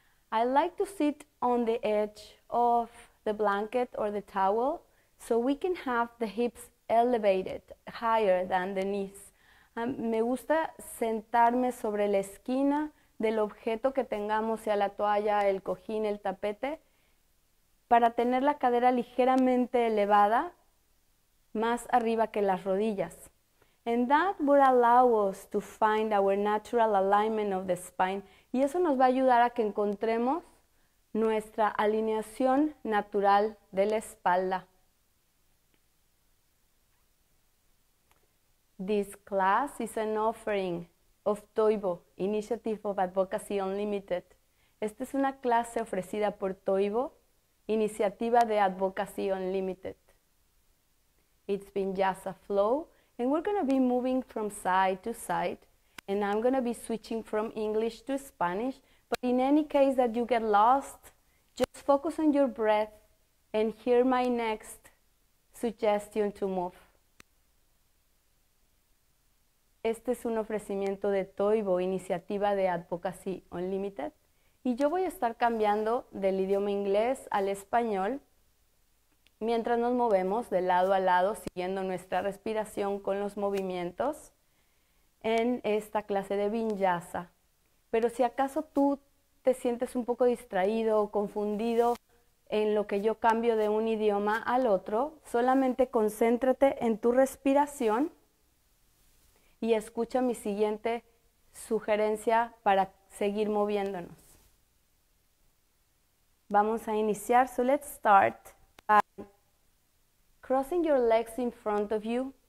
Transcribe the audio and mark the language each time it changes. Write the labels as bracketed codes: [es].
[en] I like to sit on the edge of the blanket or the towel so we can have the hips elevated higher than the knees. [es] Me gusta sentarme sobre la esquina del objeto que tengamos, sea la toalla, el cojín, el tapete, para tener la cadera ligeramente elevada más arriba que las rodillas. [en] And that will allow us to find our natural alignment of the spine. [es] Y eso nos va a ayudar a que encontremos nuestra alineación natural de la espalda. [en] This class is an offering of Toivo, Initiative of Advocacy Unlimited. [es] Esta es una clase ofrecida por Toivo, Iniciativa de Advocacy Unlimited. [en] It's been Vinyasa Flow, and we're going to be moving from side to side. And I'm going to be switching from English to Spanish. But in any case that you get lost, just focus on your breath and hear my next suggestion to move. [es] Este es un ofrecimiento de Toivo, Iniciativa de Advocacy Unlimited. Y yo voy a estar cambiando del idioma inglés al español mientras nos movemos de lado a lado, siguiendo nuestra respiración con los movimientos en esta clase de Vinyasa. Pero si acaso tú te sientes un poco distraído o confundido en lo que yo cambio de un idioma al otro, solamente concéntrate en tu respiración y escucha mi siguiente sugerencia para seguir moviéndonos. Vamos a iniciar. [en] So let's start by crossing your legs in front of you.